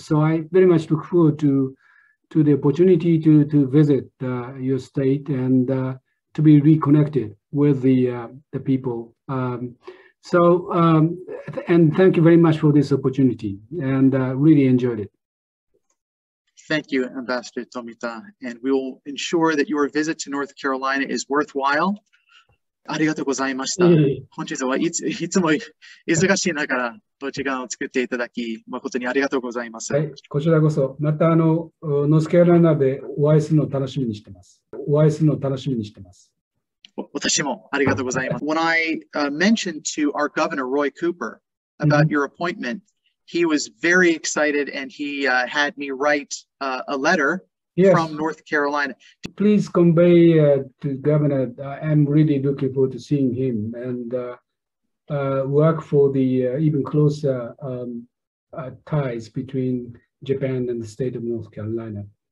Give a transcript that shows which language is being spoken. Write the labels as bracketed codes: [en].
[en] So I very much look forward to the opportunity to visit your state and to be reconnected with the people. And thank you very much for this opportunity, and really enjoyed it. Thank you, Ambassador Tomita. And we will ensure that your visit to North Carolina is worthwhile. [ja] ありがとうございました。本日はいつも忙しいながら、お時間を作っていただき、誠にありがとうございます。はい、こちらこそ、またノースカロライナでお会いするのを楽しみにしています。お会いするのを楽しみにしています。私もありがとうございます。 [en] When I mentioned to our governor, Roy Cooper, about your appointment, he was very excited and he had me write a letter. Yes. From North Carolina. Please convey to Governor, I am really looking forward to seeing him and work for the even closer ties between Japan and the state of North Carolina.